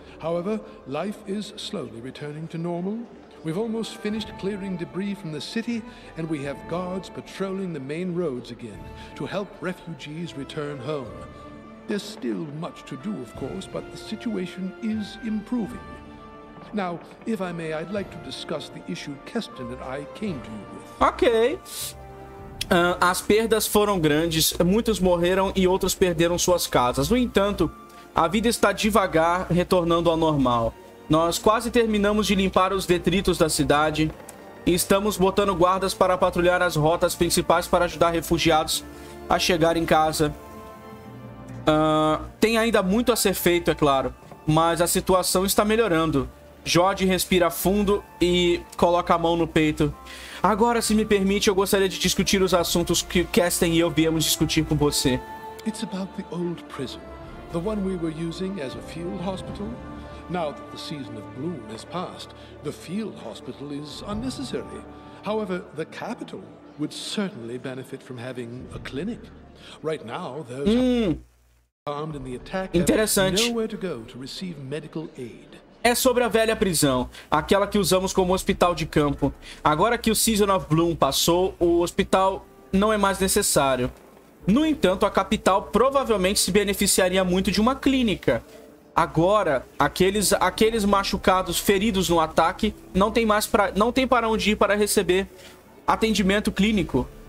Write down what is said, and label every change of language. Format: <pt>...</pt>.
<en>However, life is slowly returning to normal. We've almost finished clearing debris from the city, and we have guards patrolling the main roads again to help refugees return home. There's still much to do, of course, but the situation is improving. Now, if I may, I'd like to discuss the issue Kestin and I came to you with. Okay.</en> <pt>As perdas foram grandes. Muitos morreram e outros perderam suas casas. No entanto, a vida está devagar retornando ao normal. Nós quase terminamos de limpar os detritos da cidade. Estamos botando guardas para patrulhar as rotas principais para ajudar refugiados a chegar em casa. Tem ainda muito a ser feito, é claro. Mas a situação está melhorando. Jorge respira fundo e coloca a mão no peito. Agora, se me permite, eu gostaria de discutir os assuntos que Kestin e eu viemos discutir com você. É sobre a velha prisão. A que estávamos usando como hospital de campo.</pt> <en>Now that the season of bloom has passed, the field hospital is unnecessary. However, the capital would certainly benefit from having a clinic. Right now, those armed in the attack have nowhere to go to receive medical aid.</en> <pt>É sobre a velha prisão, aquela que usamos como hospital de campo. Agora que o season of bloom passou, o hospital não é mais necessário. No entanto, a capital provavelmente se beneficiaria muito de uma clínica. Agora, aqueles machucados, feridos no ataque, não tem para onde ir para receber atendimento clínico.</pt>